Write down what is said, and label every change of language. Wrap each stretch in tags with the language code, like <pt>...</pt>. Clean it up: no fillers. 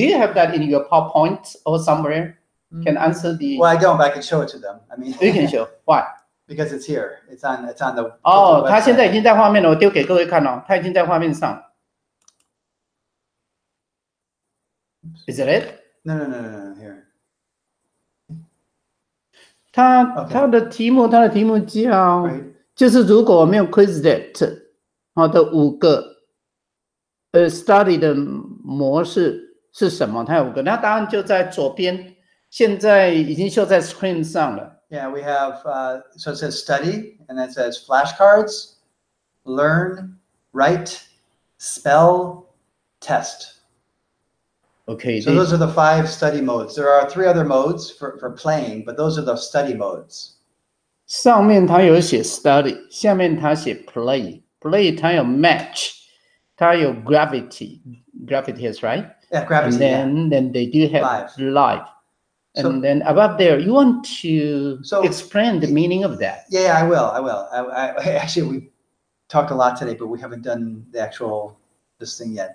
<en>You have that in your PowerPoint or somewhere. Mm-hmm. Can answer the. Well, I don't, but I can show it to them. I mean. You can show. Why? Because it's here. It's on the.</en> <zh>Oh, 他现在已经在画面了，我丢给各位看哦，他已经在画面上。</zh> <en>Is that it? No. Here.</en> <zh>他的题目，他的题目叫，</zh> <en>right.</en> <zh>就是如果我没有 Quizlet 好的5个study 的模式是什么？他有5个，那答案就在左边，现在已经秀在 screen 上了。</zh> <en>Yeah, we have. So it says study, and that says flashcards, learn, write, spell, test. Okay. So those are the 5 study modes. There are 3 other modes for playing, but those are the study modes.</en> <zh>上面它有写 study, 下面它写 play. Play 它有 match, 它有 gravity.</zh> <en>Gravity is right? Yeah, gravity. And then, then they do have live. And so, then above there, you want to explain the meaning of that? Yeah, I will. Actually, we talked a lot today, but we haven't done the actual this thing yet.</en>